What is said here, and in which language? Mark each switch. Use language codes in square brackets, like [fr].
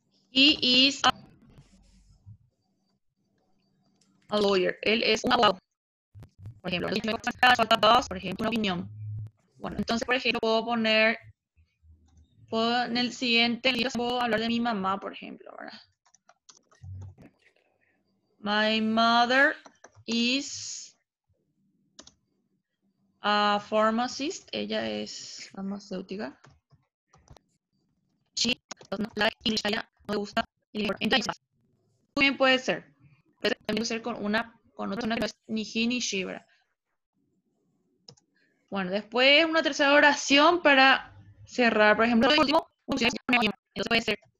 [en] He is a lawyer. [es] Él es un abogado. Por ejemplo. Falta dos, por ejemplo, una opinión. Bueno, entonces, por ejemplo, puedo en el siguiente libro puedo hablar de mi mamá, por ejemplo, ¿verdad? [en] My mother is a pharmacist. [es] Ella es farmacéutica. [en] She does not like English. [es] Ella no le gusta el libro. Entonces, muy bien puede ser. Puede ser con una, con otra, que no es ni he ni she, ¿verdad? Bueno, después una tercera oración para cerrar. Por ejemplo, el último. Entonces puede ser.